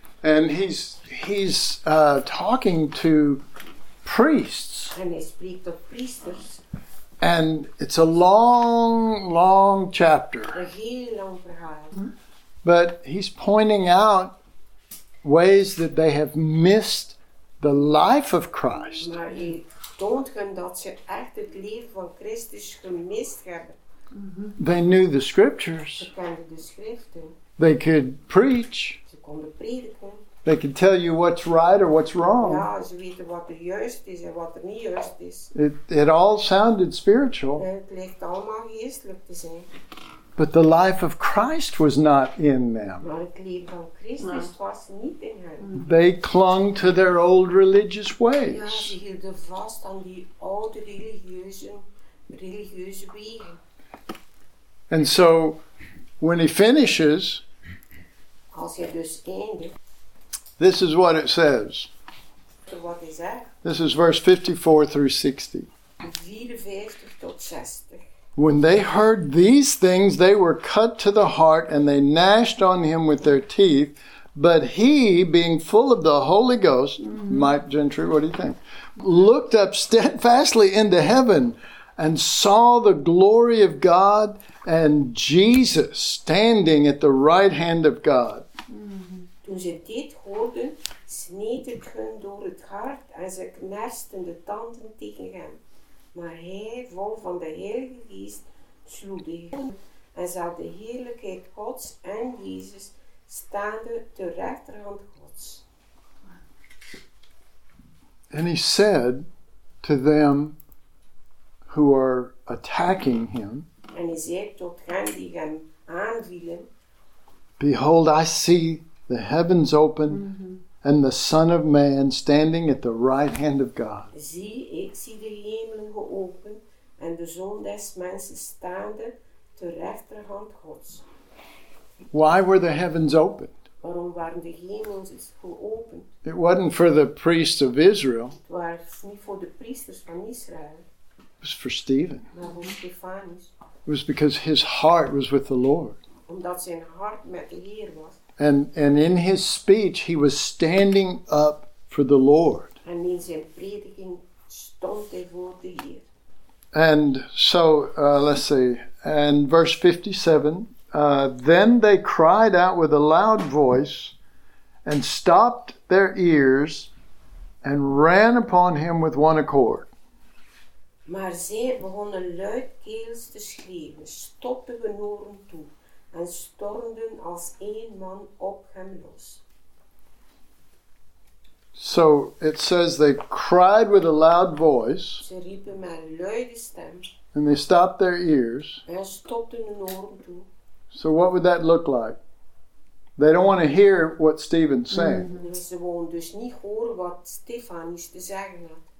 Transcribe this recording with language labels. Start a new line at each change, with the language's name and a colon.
English: And he's talking to priests. And he speak to priests. And it's a long, long chapter.
Dutch: A heel long verhaal.
English: But he's pointing out ways that they have missed the life of Christ.
Dutch: Maar hij toont hen dat ze echt het leven van Christus gemist hebben.
English: They knew the scriptures.
Dutch: Ze kenden de schriften.
English: They could preach.
Dutch: Ze konden prediken.
English: They can tell you what's right or what's wrong.
Dutch: Ja, ze weten wat er juist is en wat er niet juist is.
English: It all sounded spiritual.
Dutch: Het lijkt allemaal geestelijk te zijn.
English: But the life of Christ was not in them.
Dutch: Maar het leven van Christus was niet in hen.
English: They clung to their old religious ways.
Dutch: Ja, ze hielden vast aan die oude religieuze wegen.
English: And so, when he finishes,
Dutch: als hij dus eindigt,
English: this is what it says. What is that? This is verse 54 through 60.
Dutch: 54 tot 60.
English: When they heard these things, they were cut to the heart, and they gnashed on him with their teeth. But he, being full of the Holy Ghost, Mike Gentry, what do you think? Looked up steadfastly into heaven and saw the glory of God and Jesus standing at the right hand of God.
Dutch: Toen ze dit hoorden, sneed het hun door het hart en ze knersten de tanden tegen hem. Maar hij, vol van de Heilige Geest, sloeg de hemel en zag de heerlijkheid Gods en Jezus staande ter rechterhand Gods.
English: And he said to them who are attacking him,
Dutch: en hij zei tot hen die hem aanvielen,
English: behold, I see the heavens open, and the Son of Man standing at the right hand of God.
Dutch: Zie, ik zie de hemelen geopend en de Zoon des mensen staande ter rechterhand Gods.
English: Why were the heavens opened?
Dutch: Waarom waren de hemelen geopend?
English: It wasn't for the priests of Israel.
Dutch: Het was niet voor de priesters van Israël.
English: It was for Stephen.
Dutch: Maar voor Stefanus.
English: It was because his heart was with the Lord.
Dutch: Omdat zijn hart met de Heer was.
English: And in his speech, he was standing up for the Lord.
Dutch: En in zijn prediking stond hij voor de Heer.
English: And so, let's see, and verse 57, then they cried out with a loud voice and stopped their ears and ran upon him with one accord.
Dutch: Maar zij begonnen luidkeels te schreeuwen, stopten hun oren toe. En stormden als één man op hem los.
English: So it says they cried with a loud voice.
Dutch: Ze riepen met een luide stem.
English: And they stopped their ears.
Dutch: En stopten hun oren toe.
English: So what would that look like? They don't want to hear what Stephen's saying.
Dutch: Ze wilden dus niet horen wat Stefanus te zeggen had.